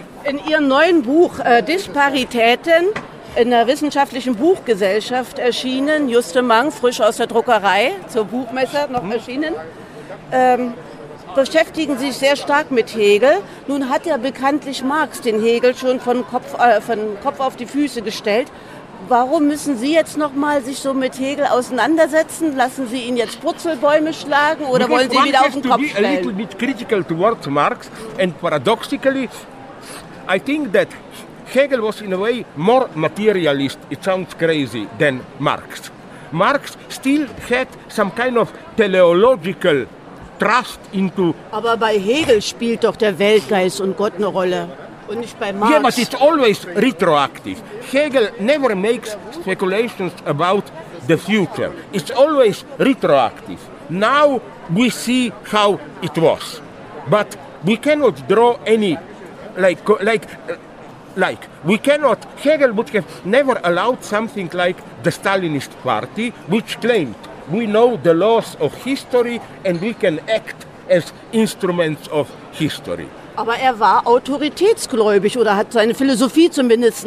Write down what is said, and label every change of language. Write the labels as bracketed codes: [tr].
[de] In Ihrem neuen Buch Disparitäten in der wissenschaftlichen Buchgesellschaft erschienen, Juste Mang, frisch aus der Druckerei, zur Buchmesse noch erschienen, beschäftigen sich sehr stark mit Hegel. Nun hat ja bekanntlich Marx den Hegel schon von Kopf auf die Füße gestellt. Warum müssen Sie jetzt nochmal sich so mit Hegel auseinandersetzen? Lassen Sie ihn jetzt Purzelbäume schlagen oder [en] because [de] wollen Sie wieder auf den Kopf stellen? [en] A little bit critical towards Marx and paradoxically, I think that Hegel was in a way more materialist, it sounds crazy, than Marx. Marx still had some kind of teleological trust into... [de] Aber bei Hegel spielt doch der Weltgeist und Gott eine Rolle. Und nicht bei Marx. [en] Yeah, but it's always retroactive. Hegel never makes speculations about the future. It's always retroactive. Now we see how it was. But we cannot draw any... Hegel would have never allowed something like the Stalinist party, which claimed we know the laws of history and we can act as instruments of history. [de] Aber er war autoritätsgläubig oder hat seine Philosophie zumindest,